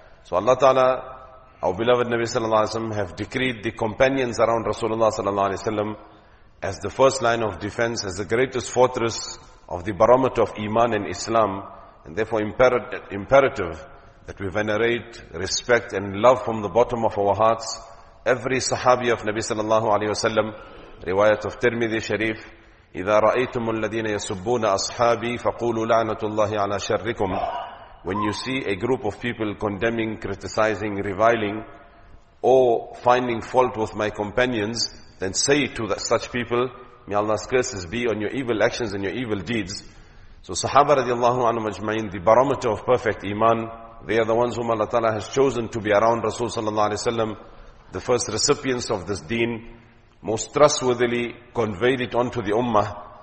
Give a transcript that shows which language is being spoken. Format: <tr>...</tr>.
<en>So Allah Ta'ala, our beloved Nabi sallallahu alayhi wa sallam, have decreed the companions around Rasulullah sallallahu alayhi wa sallam as the first line of defense, as the greatest fortress of the barometer of Iman and Islam, and therefore imperative that we venerate, respect and love from the bottom of our hearts every Sahabi of Nabi sallallahu alayhi wa sallam. Riwayat of</en> <ar>Tirmidhi Sharif, إِذَا رَأَيْتُمُ الَّذِينَ يَسُبُّونَ أَصْحَابِي فَقُولُوا لَعْنَةُ اللَّهِ عَلَى شَرِّكُمْ.</ar> <en>When you see a group of people condemning, criticizing, reviling, or finding fault with my companions, then say to such people, may Allah's curses be on your evil actions and your evil deeds. So Sahaba radiallahu anhu majma'in, the barometer of perfect iman, they are the ones whom Allah Ta'ala has chosen to be around Rasul sallallahu alayhi wa sallam, the first recipients of this deen, most trustworthily conveyed it onto the ummah.</en>